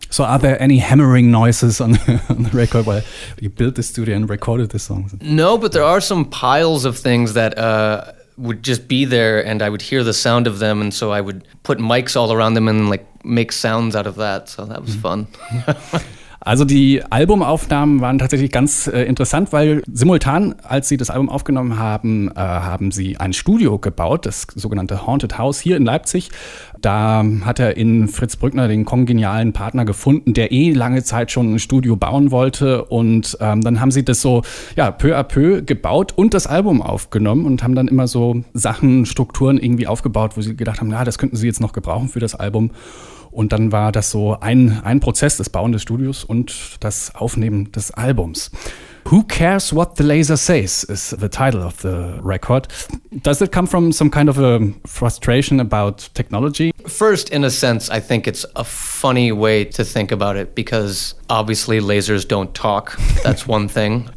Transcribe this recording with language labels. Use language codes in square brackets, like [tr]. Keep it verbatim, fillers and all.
[en] So are there any hammering noises on the, on the record while you built the studio and recorded the songs? No, but there are some piles of things that uh, would just be there, and I would hear the sound of them, and so I would put mics all around them and like make sounds out of that. So that was mm-hmm. fun. [de] Also die Albumaufnahmen waren tatsächlich ganz äh, interessant, weil simultan, als sie das Album aufgenommen haben, äh, haben sie ein Studio gebaut, das sogenannte Haunted House hier in Leipzig. Da hat er in Fritz Brückner den kongenialen Partner gefunden, der eh lange Zeit schon ein Studio bauen wollte. Und ähm, dann haben sie das so ja peu à peu gebaut und das Album aufgenommen und haben dann immer so Sachen, Strukturen irgendwie aufgebaut, wo sie gedacht haben, na, das könnten sie jetzt noch gebrauchen für das Album. Und dann war das so ein, ein Prozess, das Bauen des Studios und das Aufnehmen des Albums. [en] Who Cares What the Laser Says is the title of the record. Does it come from some kind of a frustration about technology? First, in a sense, I think it's a funny way to think about it, because obviously lasers don't talk. That's one thing.